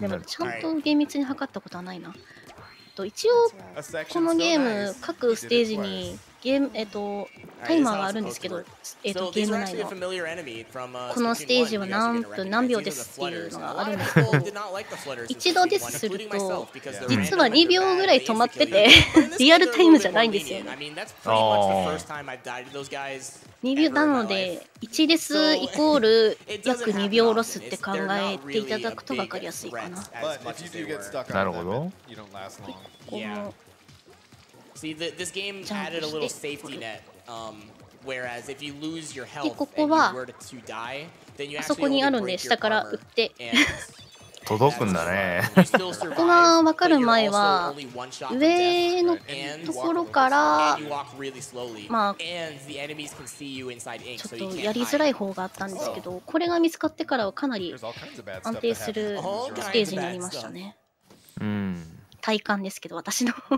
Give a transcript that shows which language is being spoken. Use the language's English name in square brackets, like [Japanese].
[Japanese] でもちゃんと厳密に測ったことはないな。と一応このゲーム各ステージにゲームタイマーがあるんですけど、ゲーム内のこのステージは何分何秒ですっていうのがあるんですけど、一度デスすると実は2秒ぐらい止まっててリアルタイムじゃないんですよね。なので1デスイコール約2秒ロスって考えていただくと分かりやすいかな。なるほど。ここも [English] See, this game added a little safety net, whereas if you lose your health and you were to die, then you actually only break your armor and you still survive, but you're also only one shot to death, and you walk really slowly, and the enemies can see you inside ink, so you can't hide. [Japanese] ちょっとやりづらい方があったんですけど、これが見つかってからはかなり体感ですけど私の。